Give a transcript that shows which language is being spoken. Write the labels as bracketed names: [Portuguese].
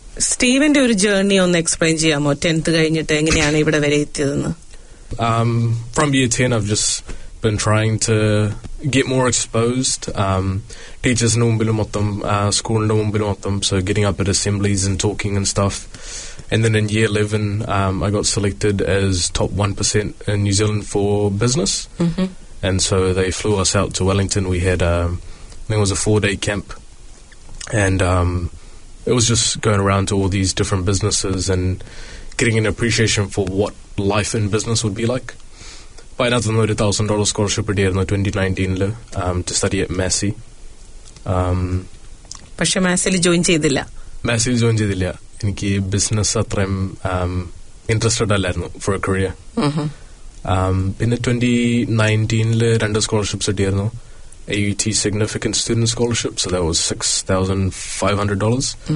[Malayalam] സ്റ്റീവന്റെ ഒരു ജേർണി ഒന്ന് എക്സ്പ്ലെയിൻ ചെയ്യാമോ? ടെൻത്ത് കഴിഞ്ഞിട്ട് എങ്ങനെയാണ് ഇവിടെ വരെ എത്തിയതെന്ന്? [English] From year 10 I've just been trying to get more exposed. Teachers in Umbilu Mottam, school in Umbilu Mottam, so getting up at assemblies and talking and stuff. And then in year 11 I got selected as top 1% in New Zealand for business. Mm-hmm. And so they flew us out to Wellington. We had I think it was a 4-day camp, and it was just going around to all these different businesses and getting an appreciation for what life in business would be like. By now, the $1,000 scholarship a year in 2019 to study at Massey. [Malayalam] പക്ഷെ മാസിൽ join ചെയ്തില്ല. മാസിൽ join ചെയ്തില്ല. എനിക്ക് business അത്രയും interested അല്ലായിരുന്നു four A career. പിന്നെ 2019 രണ്ട് scholarships കിട്ടിയായിരുന്നു. [English] AUT Significant Student Scholarship, so that was $6,500.